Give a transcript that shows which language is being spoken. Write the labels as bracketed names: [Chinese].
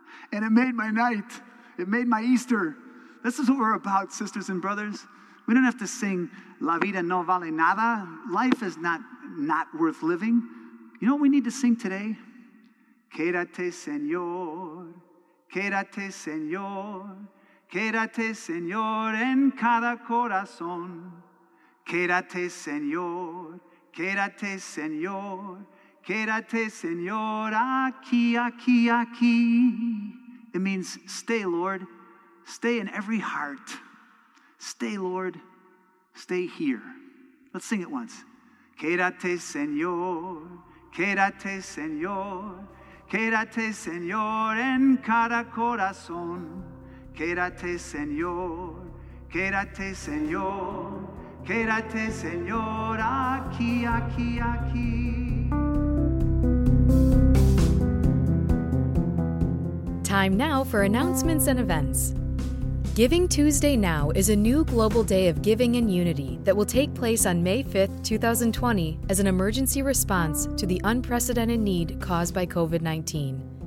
[English] And it made my night. It made my Easter. This is what we're about, sisters and brothers. We don't have to sing, [Spanish] La vida no vale nada. [English] Life is not worth living. You know what we need to sing today? [Spanish] Quédate, Señor. Quédate, Señor. Quédate, Señor, en cada corazón. Quédate, Señor. Quédate, Señor. Quédate, Señor, aquí, aquí, aquí. [English] It means stay, Lord. Stay in every heart. Stay, Lord. Stay here. Let's sing it once. [Spanish] Quédate, Señor. Quédate, Señor. Quédate, Señor, en cada corazón. Quédate, Señor. Quédate, Señor. Quédate, Señor, aquí, aquí, aquí. [English] Time now for announcements and events. Giving Tuesday Now is a new global day of giving and unity that will take place on May 5th, 2020 as an emergency response to the unprecedented need caused by COVID-19.